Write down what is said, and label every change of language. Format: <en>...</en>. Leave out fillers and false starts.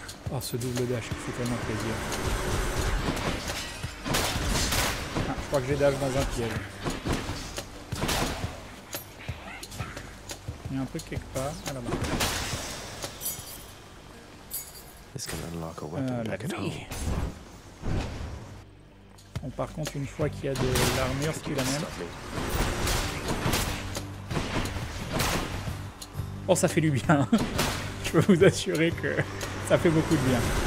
<fr>Oh, ce double dash qui fait tellement plaisir. Ah, je crois que j'ai dash dans un piège. Il y a un truc quelque part à la main.</fr> <en>This can unlock a weapon back at home.</en> <fr>Bon, par contre, une fois qu'il y a de l'armure, c'est la même. Oh, ça fait du bien. Je peux vous assurer que ça fait beaucoup de bien.</fr>